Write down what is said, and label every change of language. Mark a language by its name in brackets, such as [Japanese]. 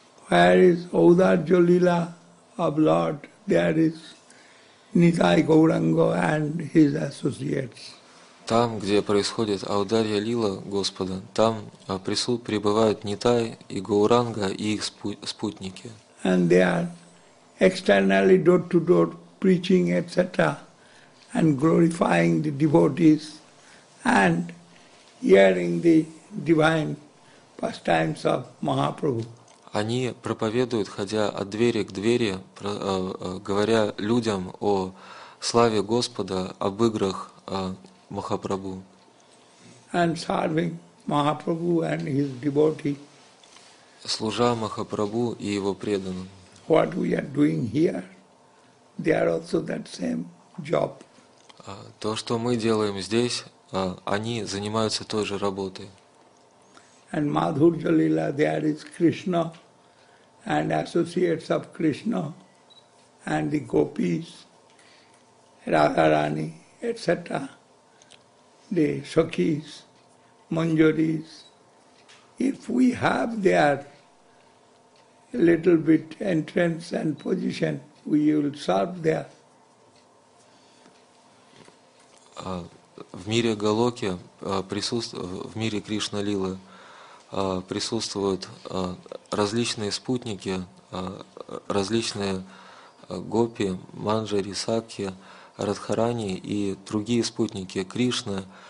[English] Where is Audharja Lila of Lord? There is Nitai Gauranga and his associates. [Russian] там, где происходит Аударья Лила Господа, там пребывают Нитай и Гауранга и их спутники. [English] And they are externally door-to-door preaching, etc., and glorifying the devotees and hearing the divine pastimes of Mahaprabhu. [Russian] Они проповедуют, ходя от двери к двери, говоря людям о славе Господа, об играх Махапрабху. [English] And serving Mahaprabhu and his devotee. [Russian] Служа Махапрабху и его преданным. [English] What we are doing here, they are also that same job. [Russian] То, что мы делаем здесь, они занимаются той же работой. [English] And Madhurya Lila, there is Krishna and associates of Krishna and the gopis, Radharani, etc., the Sakhis, Manjaris. If we have their little bit entrance and position, we will serve there. [Russian] В мире Галоки, в мире Кришна Лилы присутствуют различные спутники, различные гопи, манджари, сакхи, радхарани и другие спутники Кришны.